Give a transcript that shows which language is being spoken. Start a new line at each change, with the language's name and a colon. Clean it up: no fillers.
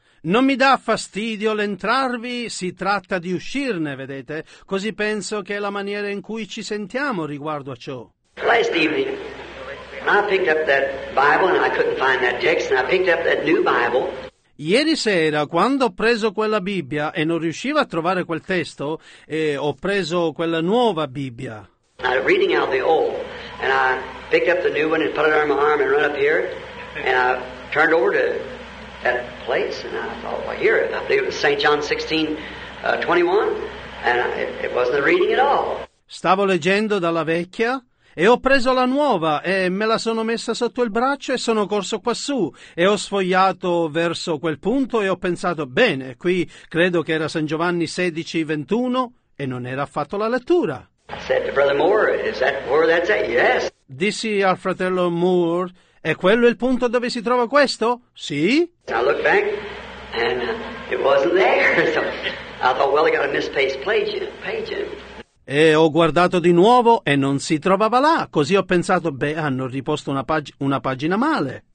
Italian: Non mi dà fastidio l'entrarvi, si tratta di uscirne, vedete? Così penso che è la maniera in cui ci sentiamo riguardo a ciò.
English: Last evening, I picked up that Bible and I couldn't find that text, and I picked up that new Bible.
Italian: Ieri sera, quando ho preso quella Bibbia e non riuscivo a trovare quel testo, ho preso quella nuova Bibbia.
English: I'm reading out the old, and I picked up the new one and put it under my arm and run up here, and I turned over to that place, and I thought, well, here, I believe it was St. John 16:21, and it wasn't a reading at all.
Italian: Stavo leggendo dalla vecchia, e ho preso la nuova, e me la sono messa sotto il braccio, e sono corso quassù, e ho sfogliato verso quel punto, e ho pensato, bene, qui credo che era San Giovanni 16:21, e non era affatto la lettura.
English: I said to Brother Moore, is that where that's at? Yes.
Italian: Dissi al fratello Moore, è quello il punto dove si trova questo? Sì.
English: I looked back and it wasn't there. So I thought, well, I got a misplaced page in.
Italian: E ho guardato di nuovo e non si trovava là. Così ho pensato, beh, hanno riposto una pagina male.